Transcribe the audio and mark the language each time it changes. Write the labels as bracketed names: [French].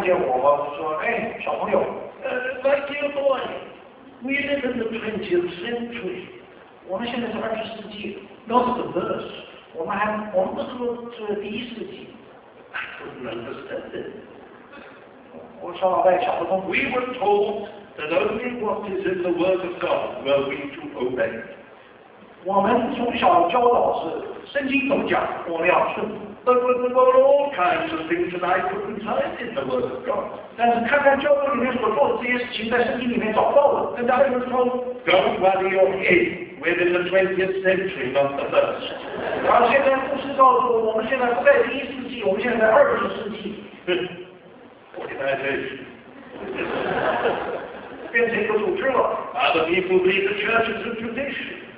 [Chinese] 我年幼的时候在教会里头的牧师看见我说，哎，小朋友， [English] my dear boy, we live in the 20th century. [Chinese] 我们现在是20世纪， [English] not the first. [Chinese] 我们不是第一世纪。 [English] I couldn't understand it. [Chinese] 我说，哎，想不通。 [English] We were told that only what is in the Word of God were we to obey. [Chinese] 我们从小教导是圣经怎么讲，我们要顺服。 [English] But there were all kinds of things that I couldn't find in the Word of God. [Chinese] 但是看看教会里面所做的这些事情，在圣经里面找到了。 [English] And I was told, don't worry your head, we're in the 20th century, not the first. [Chinese] 然后现在牧师告诉我，我们现在不在第一世纪，我们现在在20世纪。 [English] Other people believe the church is a tradition.